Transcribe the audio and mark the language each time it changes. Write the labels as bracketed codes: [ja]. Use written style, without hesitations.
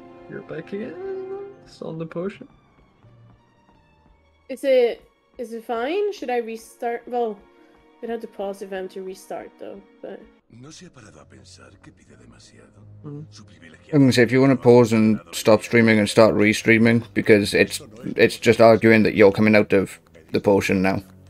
[en] You're back again? Still on the potion? Is it fine? Should I restart? Well, we'd have to pause if I'm to restart though, but. [es] No se ha parado a pensar que pide demasiado. [en] I'm gonna say, if you want to pause and stop streaming and start restreaming, because it's just arguing that you're coming out of the potion now.